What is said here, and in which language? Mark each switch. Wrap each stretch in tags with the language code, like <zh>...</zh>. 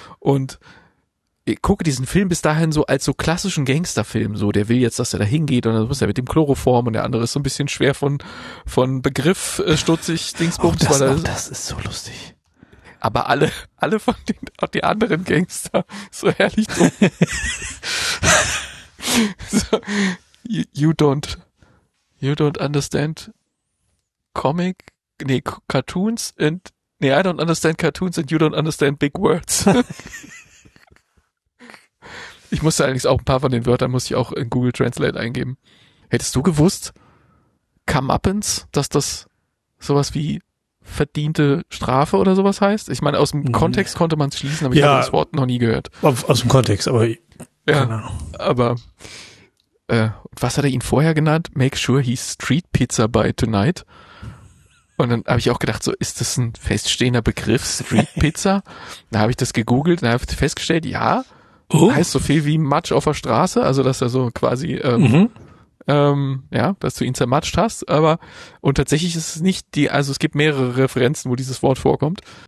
<de>Und ich gucke diesen Film bis dahin so als so klassischen Gangsterfilm, so der will jetzt, dass er da hingeht und dann muss er mit dem Chloroform und der andere ist so ein bisschen schwer von Begriff stutzig, Dingsbums. Oh, das ist so lustig. Aber alle von den, auch die anderen Gangster, so herrlich dumm.</de> <en>So, you don't understand Comic, nee, Cartoons and, nee, I don't understand Cartoons and you don't understand big words.</en> <de>Ich musste allerdings auch ein paar von den Wörtern, musste ich auch in Google Translate eingeben. Hättest du gewusst, comeuppance, dass das sowas wie verdiente Strafe oder sowas heißt? Ich meine, aus dem Kontext konnte man es schließen, aber ich habe das Wort noch nie gehört. Aus dem Kontext, aber keine Ahnung. Aber was hat er ihn vorher genannt?</de> <en>Make sure he's street pizza by tonight.</en> <de>Und dann habe ich auch gedacht, so ist das ein feststehender Begriff, street pizza? Da habe ich das gegoogelt und habe festgestellt, ja, heißt so viel wie Matsch auf der Straße, also dass er so quasi ja, dass du ihn zermatscht hast, aber und tatsächlich ist es nicht die, also es gibt mehrere Referenzen, wo dieses Wort vorkommt.</de>